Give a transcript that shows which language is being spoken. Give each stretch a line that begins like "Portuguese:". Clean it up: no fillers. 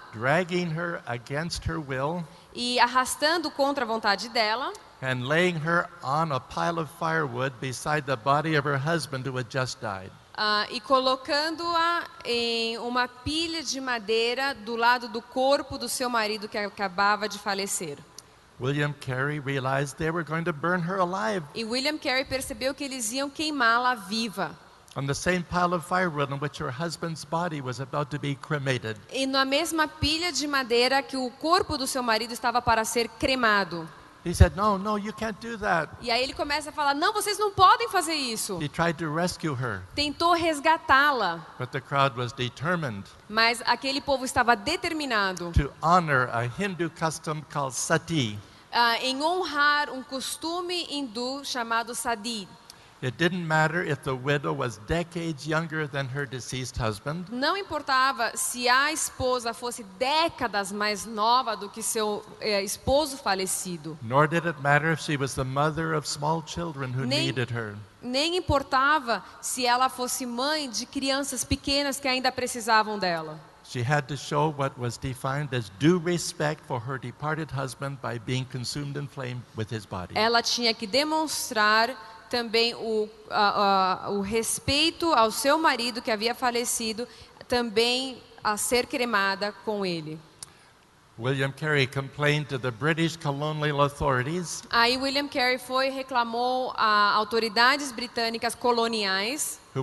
English: dragging her against her will,
Portuguese: e arrastando contra a vontade dela,
English: and laying her on a pile of firewood beside the body of her husband who had just died.
Portuguese: E colocando-a em uma pilha de madeira do lado do corpo do seu marido que acabava de falecer.
English: William Carey realized they were going to burn her alive.
Portuguese: E William Carey percebeu que eles iam queimá-la viva.
English: On the same pile of firewood in which her husband's body was about to be cremated.
Portuguese: E na mesma pilha de madeira que o corpo do seu marido estava para ser cremado.
English: He said, "No, no, you can't do that."
Portuguese: E aí ele começa a falar, não, vocês não podem fazer isso.
English: He tried to rescue her.
Portuguese: Tentou resgatá-la.
English: But the crowd was determined.
Portuguese: Mas aquele povo estava determinado.
English: To honor a Hindu custom called sati.
Portuguese: Em honrar costume hindu chamado sati.
English: It didn't matter if the widow was decades younger than her deceased husband.
Portuguese: Não importava se a esposa fosse décadas mais nova do que seu esposo falecido.
English: Nor did it matter if she was the mother of small children who needed her.
Portuguese: Nem importava se ela fosse mãe de crianças pequenas que ainda precisavam dela.
English: She had to show what was defined as due respect for her departed husband by being consumed in flame with his body.
Portuguese: Ela tinha que demonstrar também o respeito ao seu marido que havia falecido, também a ser cremada com ele.
English: William Carey complained to the British colonial authorities.
Portuguese: Aí William Carey foi e reclamou a autoridades britânicas coloniais,